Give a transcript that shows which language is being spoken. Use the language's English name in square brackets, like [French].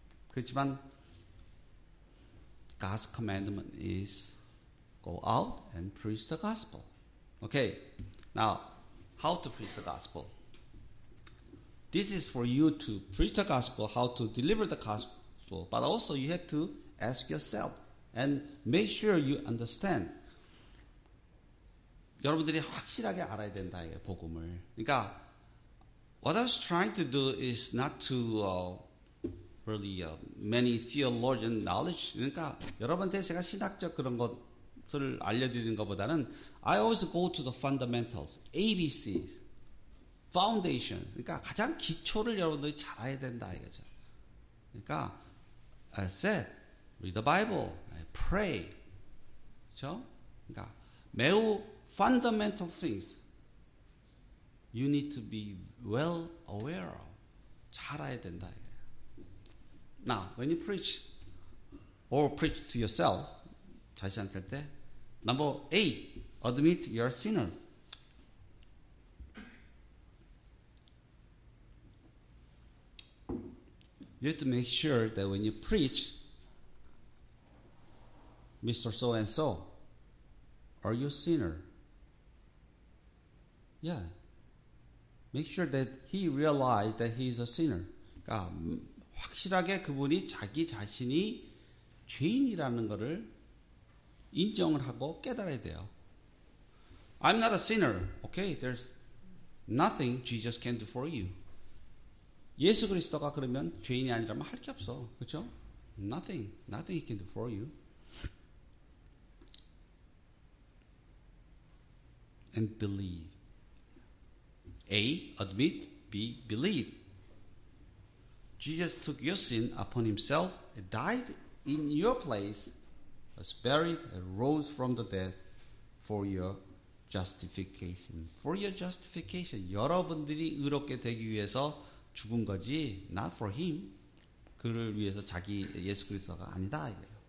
[Korean] 그렇지만 [English] God's commandment is go out and preach the gospel. Okay, now, how to preach the gospel? This is for you to preach the gospel, how to deliver the gospel. But also you have to ask yourself and make sure you understand. [Korean] 여러분들이 확실하게 알아야 된다 이 복음을. 그러니까 [English] what I was trying to do is not to really many theologian knowledge. [Korean] 그러니까 여러분한테 제가 신학적 그런 것을 알려드리는 것보다는 [English] I always go to the fundamentals, ABC, foundation. [Korean] 그러니까 가장 기초를 여러분들이 잘 알아야 된다 이거죠. 그러니까 [English] I said, read the Bible, I pray. [Korean] 그렇죠? 그러니까 매우 [English] fundamental things you need to be well aware of. [Korean] 잘 알아야 된다. [English] Now, when you preach or preach to yourself, [Korean] 자신한테 할 때, [English] number eight, admit you're a sinner. 'You have to make sure that when you preach, Mr. So-and-so, are you a sinner? Yeah. Make sure that he realized that he's a sinner. [Korean] 그러니까 확실하게 그분이 자기 자신이 죄인이라는 것을 인정을 하고 깨달아야 돼요. [English] I'm not a sinner. Okay, there's nothing Jesus can do for you. [Korean] 예수 그리스도가 그러면 죄인이 아니라면 할 게 없어. 그렇죠? [English] Nothing. Nothing he can do for you. And believe. A. Admit. B. Believe. Jesus took your sin upon himself, died in your place, was buried, and rose from the dead for your justification. For your justification. [Korean] 여러분들이 의롭게 되기 위해서 죽은 거지 [English] not for him [Korean] 그를 위해서 자기 예수 그리스도가 아니다 이거예요.